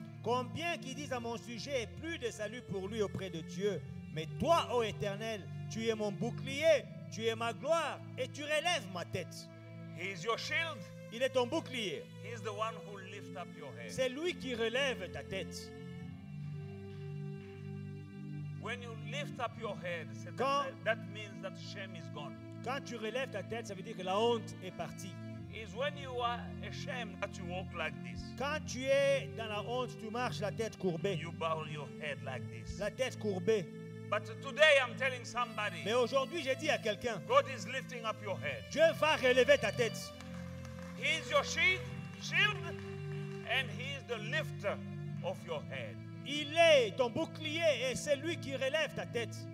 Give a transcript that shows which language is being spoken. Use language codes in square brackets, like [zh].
[fr] Combien qui disent à mon sujet, plus de salut pour lui auprès de Dieu. Mais toi, ô Éternel, tu es mon bouclier, tu es ma gloire et tu relèves ma tête. [en] He is your shield. [fr] Il est ton bouclier. [en] He is the one who lifts up your head. [fr] C'est lui qui relève ta tête. [en] When you lift up your head, that means that shame is gone. [fr] Quand tu relèves ta tête, ça veut dire que la honte est partie. [en] is when you are ashamed that you walk like this. [fr] Quand tu es dans la honte, tu marches la tête courbée. [en] You bow your head like this. [fr] La tête courbée. [en] But today I'm telling somebody. [fr] Mais aujourd'hui, j'ai dit à quelqu'un. [en] God is lifting up your head. [fr] Dieu va relever ta tête. [en] He is your shield and he is the lifter of your head. [fr] Il est ton bouclier et c'est lui qui relève ta tête.